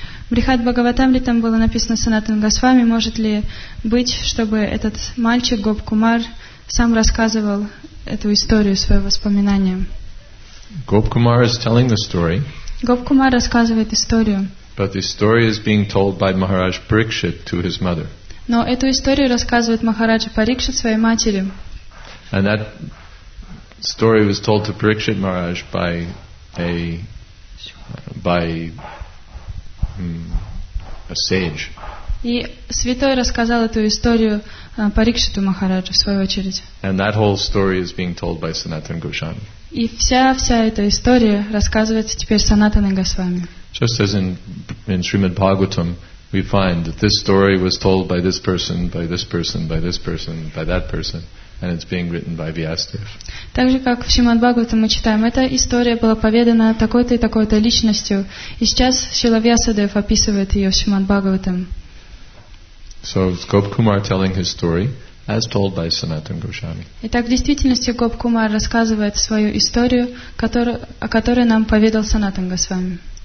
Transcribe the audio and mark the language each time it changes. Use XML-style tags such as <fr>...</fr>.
<ru>Брихат Бхагаватамритам было написано Санатан Госвами. Может ли быть, чтобы этот мальчик Гоп Кумар сам рассказывал эту историю, свои воспоминания?</ru> <en>Gop Kumar is telling the story.</en> <ru>Gop Kumar рассказывает историю.</ru> <en>But the story is being told by Maharaj Parikshit to his mother.</en> <ru>Но эту историю рассказывает Махараджа Парикшит своей матери.</ru> <en>And that story was told to Parikshit Maharaj by a a sage.</en> <ru>И святой рассказал эту историю Парикшиту Махараджу в свою очередь.</ru> <en>And that whole story is being told by Sanatana Goswami.</en> <ru>И вся эта история рассказывается теперь Санатаной Госвами.</ru> <en>Just as in Srimad Bhagavatam, we find that this story was told by this person, by this person, by this person, by that person, and it's being written by Vyasadeva.</en> <ru>Так же, как в Шримад Бхагаватам мы читаем, эта история была поведана такой-то и такой-то личностью, и сейчас Шрила Вьясадев описывает ее в Шримад Бхагаватам.</ru> <en>So it's Gop Kumar telling his story, as told by Sanatana Goswami.</en> <ru>Итак, в действительности Gop Kumar рассказывает свою историю, о которой нам поведал Санатан Госвами.</ru>